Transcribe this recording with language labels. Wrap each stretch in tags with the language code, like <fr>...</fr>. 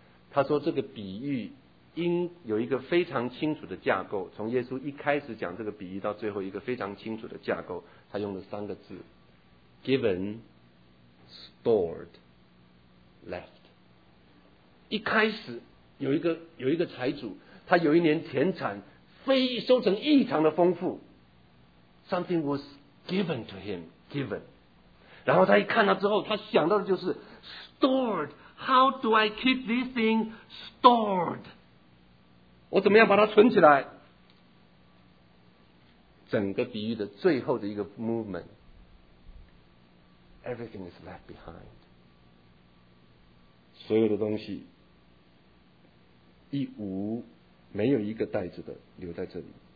<zh>他说这个比喻应有一个非常清楚的架构，从耶稣一开始讲这个比喻到最后一个非常清楚的架构，他用了三个字： Given, Stored,Left。一开始有一个财主，他有一年田产非收成异常的丰富，</zh> <en>Something was given to him, given。</en> <zh>然后他一看到之后，他想到的就是 Stored,</zh> <en>How do I keep this thing stored?</en> <zh>我怎么样把它存起来？整个比喻的最后的一个 movement，</zh> <en>Everything is left behind，</en> <zh>所有的东西一无没有一个袋子的留在这里。</zh>